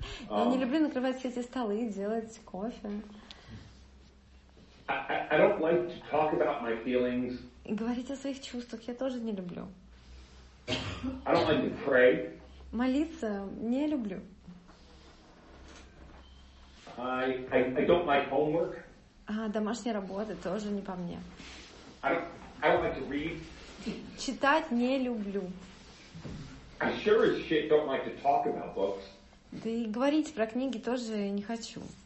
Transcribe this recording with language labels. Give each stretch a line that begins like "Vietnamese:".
Russian: Я не люблю накрывать все эти столы и делать кофе.
English: I don't like to talk about my feelings.
Russian: И говорить о своих чувствах я тоже не люблю.
English: I don't like to pray.
Russian: Молиться не люблю.
English: I don't like homework.
Russian: Домашняя работа тоже не по мне.
English: I don't like to read.
Russian: Читать не люблю.
English: I sure as shit don't like to talk about books.
Russian: Да и говорить про книги тоже не хочу.